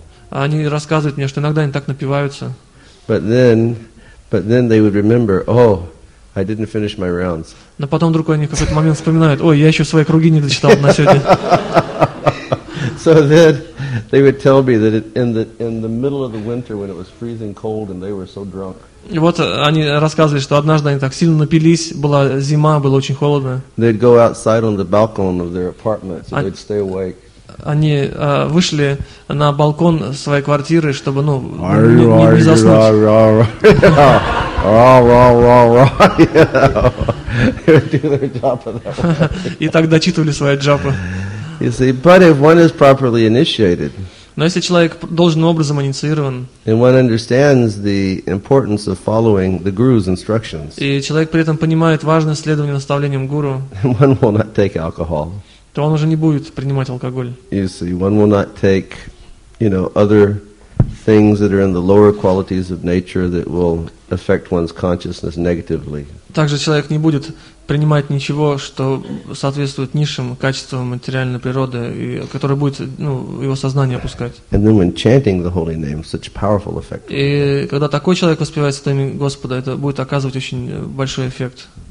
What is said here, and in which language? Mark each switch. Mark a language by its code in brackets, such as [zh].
[ru] Они рассказывают мне, что иногда они так напиваются. [en] But then they would remember, oh, I didn't finish my rounds. [ru] Но потом вдруг они в какой-то момент вспоминают, ой, я еще свои круги не дочитал на сегодня. [en] So then they would tell me that in the middle of the winter when it was freezing cold and they were so drunk. [ru] И вот они рассказывали, что однажды они так сильно напились, была зима, было очень холодно. [en] They'd go outside on the balcony of their apartment, so they'd stay awake. [ru] Они вышли на балкон своей квартиры, чтобы, ну, не заснуть. И так дочитывали свои джапы. [en] You see, but if one is properly initiated, [ru] но если человек должным образом инициирован, [en] and one understands the importance of following the guru's instructions, [ru] и человек при этом понимает важность следования наставлениям гуру, [en] one will not take alcohol, [ru] то он уже не будет принимать алкоголь. [en] You see, one will not take, you know, other things that are in the lower qualities of nature that will affect one's consciousness negatively. [ru] Также человек не будет принимать ничего, что соответствует низшим качествам материальной природы, и которое будет, ну, его сознание опускать. [en] And then when chanting the holy name, such powerful effect. [ru] И когда такой человек воспевает святое имя Господа, это будет оказывать очень большой эффект.